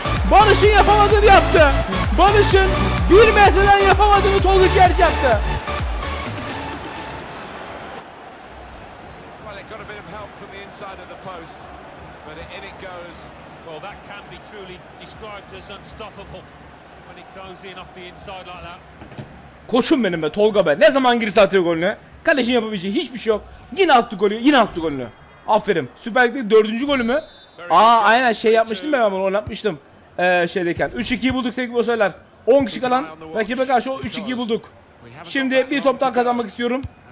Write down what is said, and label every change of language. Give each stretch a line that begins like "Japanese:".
Turkish: Barış'ın yapamadığını yaptı. Barış'ın bir metreden yapamadığını Tolga Ciğerci yaptı.
English: Well, it got a bit of help from the inside of the post, but in it goes. Well, that can be truly described as unstoppable when it goes in off the inside like that.
Turkish: Koşun benim be Tolga be. Ne zaman girse atıyor golünü. Kalecinin yapabileceği hiçbir şey yok. Yine attı golünü. Aferin. Süper Lig'de 4. golü mü? Aa aynen şey yapmıştım ben bunu oynatmıştım. Şeydeyken 3-2'yi bulduk sevgili dostlar. 10 kişi kalan rakibe karşı o 3-2'yi bulduk. Şimdi bir top daha kazanmak istiyorum.